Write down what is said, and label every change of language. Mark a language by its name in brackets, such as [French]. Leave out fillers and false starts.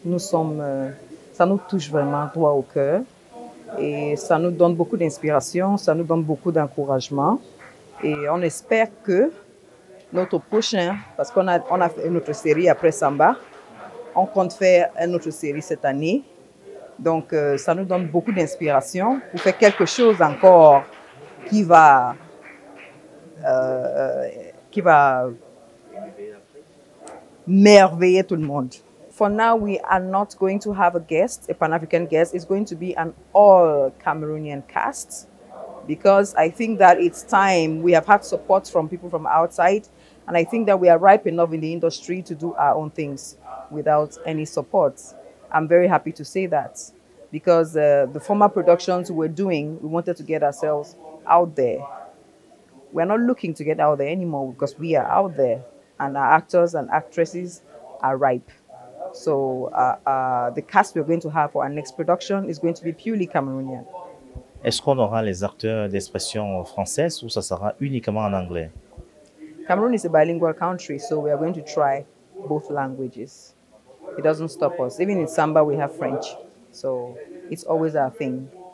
[French] Nous sommes, ça nous touche vraiment droit au cœur et ça nous donne beaucoup d'inspiration, ça nous donne beaucoup d'encouragement et on espère que notre prochain, parce qu'on a, on a fait une autre série après Samba, on compte faire une autre série cette année. Donc, ça nous donne beaucoup d'inspiration pour faire quelque chose encore qui va merveiller tout le monde. [English] For now, we are not going to have a guest, a Pan-African guest. It's going to be an all-Cameroonian cast because I think that it's time. We have had support from people from outside. And I think that we are ripe enough in the industry to do our own things without any support. I'm very happy to say that because the former productions we're doing, we wanted to get ourselves out there. We're not looking to get out there anymore because we are out there and our actors and actresses are ripe. So the cast we're going to have for our next production is going to be purely Cameroonian. [French] Est-ce qu'on aura les acteurs d'expression française ou ça sera uniquement en anglais? [English] Cameroon is a bilingual country, so we are going to try both languages. It doesn't stop us. Even in Samba, we have French. So it's always our thing.